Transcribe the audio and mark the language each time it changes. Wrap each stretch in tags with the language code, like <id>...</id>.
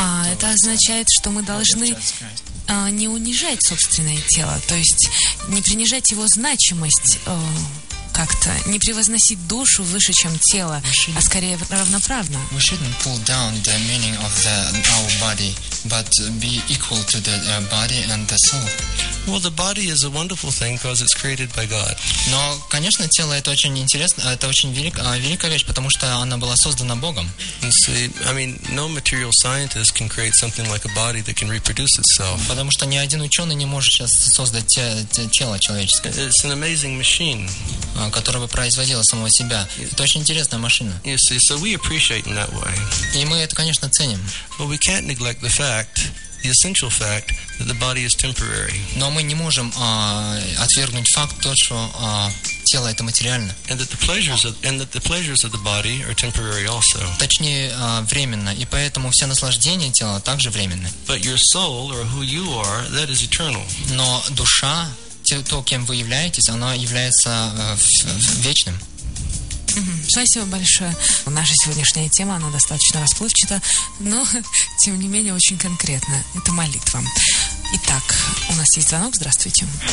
<ru>Это означает, что мы должны не унижать собственное тело, то есть не принижать его значимость как-то, не превозносить душу выше, чем тело, а скорее равноправно.</ru> <en>We shouldn't pull down the meaning of our body, but be equal to the body and the soul. Well, the body is a wonderful thing because it's created by God.</en> <ru>Но, конечно, тело это очень интересно, это очень великая вещь, потому что она была создана Богом.</ru> <en>You see, I mean, no material scientist can create something like a body that can reproduce itself.</en> <ru>Потому что ни один ученый не может сейчас создать тело человеческое.</ru> <en>It's an amazing machine,</en> <ru>которая бы производила самого себя. Это очень интересная машина.</ru> <en>You see, so we appreciate in that way.</en> <ru>И мы это, конечно, ценим.</ru> <en>But we can't neglect the fact. The essential fact that the body is temporary.</en> <ru>Но мы не можем отвергнуть факт тот, что тело это материально.</ru> <en>And that the pleasures of the body are temporary also.</en> <ru>Точнее, временно, и поэтому все наслаждения тела также временны.</ru> <en>But your soul or who you are, that is eternal.</en> <ru>Но душа, то, кем вы являетесь, она является вечным. Спасибо большое. Наша сегодняшняя тема, она достаточно расплывчата, но, тем не менее, очень конкретно. Это молитва. Итак, у нас есть звонок. Здравствуйте.</ru>